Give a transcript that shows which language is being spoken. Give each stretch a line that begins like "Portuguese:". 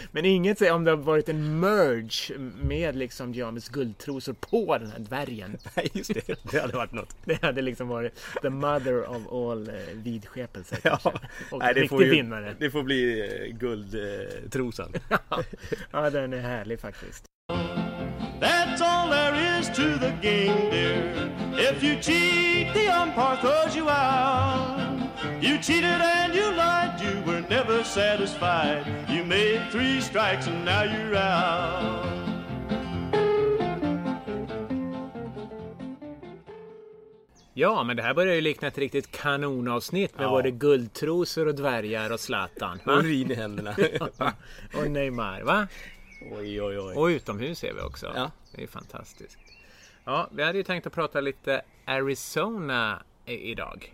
Swedish: Men inget säger om det har varit en merge med liksom James guldtrosor på den här dvärgen. Nej, just det. Det hade varit något. Det hade liksom varit
English: the mother of all
Swedish: vidskepelser. Ja. Och nej, det riktig får ju, vinnare. Det får bli guldtrosan. Ja, den är härlig faktiskt.
English: That's all there is to the game, dear. If you cheat, the umpire throws you out. You cheated and you lied, you were never satisfied. You made three strikes and now you're out.
Swedish: Ja, men det här börjar ju likna ett riktigt kanonavsnitt med både guldtrosor och dvärgar och Zlatan. Och urin i händerna. Och Neymar, va? Oj, oj, oj. Och utomhus är vi också. Ja. Det är fantastiskt. Ja, vi hade ju tänkt att prata lite Arizona idag.